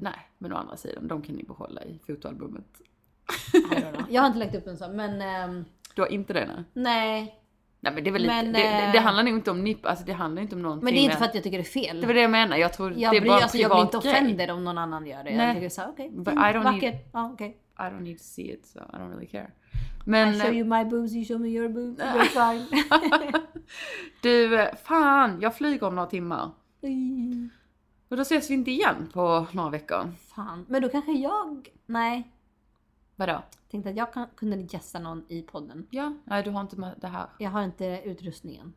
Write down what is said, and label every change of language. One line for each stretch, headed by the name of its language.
Swedish: Nej, men å andra sidan, de kan ni behålla i fotoalbumet. Jag har inte lagt upp en sån, men du har inte det, nej. Nej, men det är väl men, lite, det handlar nog inte om nipp, alltså det handlar inte om någonting. Men det är inte för att jag tycker det är fel. Det var det jag menar. Jag tror jag det är bara alltså, jag blir inte offended om någon annan gör det. Nej. Jag tycker så okej.
English: I don't need to see it, so I don't really care.
Swedish: Men
English: I show you my boobs, you show me your boobs. You're fine.
Swedish: Du, fan, jag flyger om några timmar. Och då ses vi inte igen på några veckor. Fan, men då kanske jag nej. Vadå? Tänkte att jag kunde gästa någon i podden. Ja, nej, du har inte med det här. Jag har inte utrustningen.